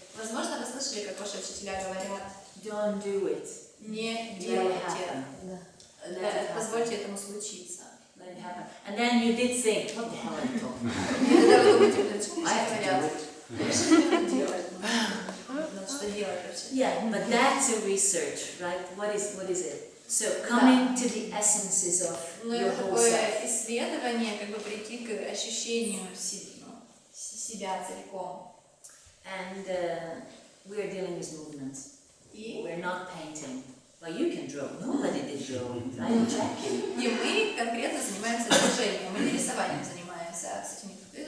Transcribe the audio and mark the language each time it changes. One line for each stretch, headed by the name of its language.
Russian: Возможно, вы слышали, как ваши учителя говорят,
English: don't do it.
Russian: Не делайте. Позвольте этому случиться.
English: And then you did think, what the hell are you talking about?
Russian: Что делать вообще?
English: Yeah, but that's a research, right? What is it? So coming to the essences of your whole self.
Russian: Такое исследование, как бы прийти к ощущению себя целиком.
English: And we are dealing with movements. We're not painting. Well, you can draw. Nobody did draw.
Russian: И мы конкретно занимаемся движением. Мы не рисованием занимаемся с этими